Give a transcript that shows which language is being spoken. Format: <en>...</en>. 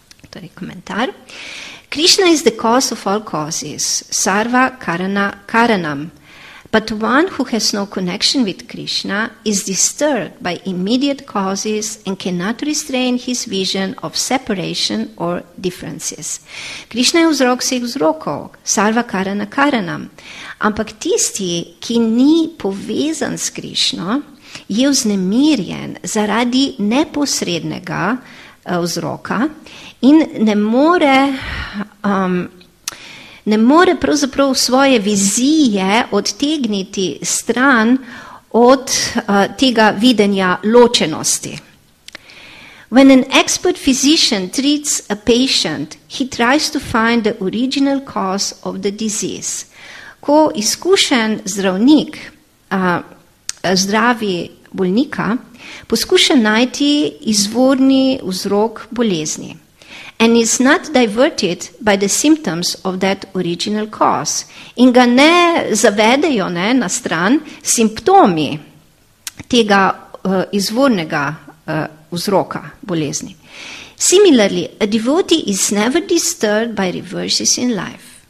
<sl>Torej komentar.</sl> <en>Krishna is the cause of all causes, sarva karana karanam. But one who has no connection with Krishna is disturbed by immediate causes and cannot restrain his vision of separation or differences.</en> <sl>Krishna je vzrok vseh vzrokov, sarva karana karanam. Ampak tisti, ki ni povezan s Krishno, je vznemirjen zaradi neposrednega vzroka in ne more pravzaprav svoje vizije odtegniti stran od tega videnja ločenosti.</sl> <en>When an expert physician treats a patient, he tries to find the original cause of the disease.</en> <sl>Ko izkušen zdravnik zdravi bolnika, poskuša najti izvorni vzrok bolezni.</sl> <en>And is not diverted by the symptoms of that original cause.</en> <sl>In ga ne zavedejo ne, na stran simptomi tega izvornega vzroka bolezni.</sl> <en>Similarly, a devotee is never disturbed by reverses in life.</en>